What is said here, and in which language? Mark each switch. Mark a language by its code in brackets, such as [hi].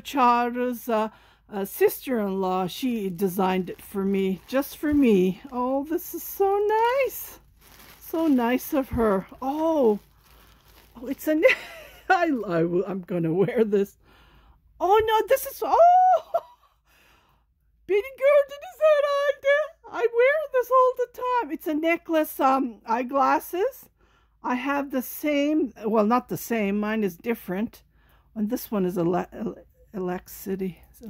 [en] Charles, sister-in-law, she designed it for me, just for me. Oh, this is so nice. So nice of her. Oh, it's a I'm gonna wear this. Oh no, this is, oh, [tr] beni gördünüz herhalde. [en] I wear this all the time. It's a necklace, eyeglasses. I have the same, well, not the same, mine is different. And this one is elasticity.